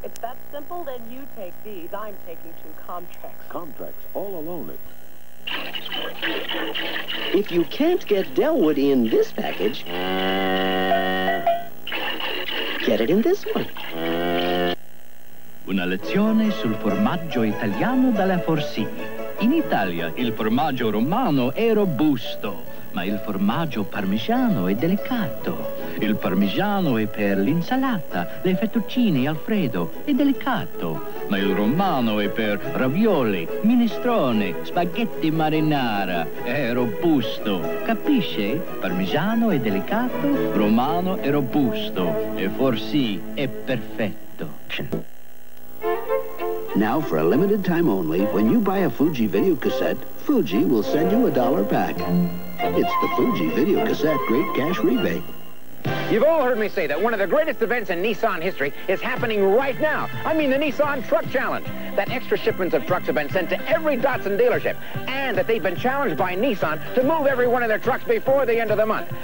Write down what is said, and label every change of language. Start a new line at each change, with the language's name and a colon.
English: If that's simple, then you take these. I'm taking two Comtrex. Comtrex, all alone it. If you can't get Delwood in this package, get it in this one.
Italian: Una lezione sul formaggio italiano dalla Forcigna. In Italia il formaggio romano è robusto, ma il formaggio parmigiano è delicato. Il parmigiano è per l'insalata, le fettuccine al freddo, è delicato. Ma il romano è per ravioli, minestrone, spaghetti marinara, è robusto. Capisce? Parmigiano è delicato, romano è robusto, e forse è perfetto.
English: Now for a limited time only, when you buy a Fuji video cassette, Fuji will send you a dollar back. It's the Fuji video cassette great cash rebate. You've all heard me say that one of the greatest events in Nissan history is happening right now. I mean the Nissan Truck Challenge. That extra shipments of trucks have been sent to every Datsun dealership, and that they've been challenged by Nissan to move every one of their trucks before the end of the month.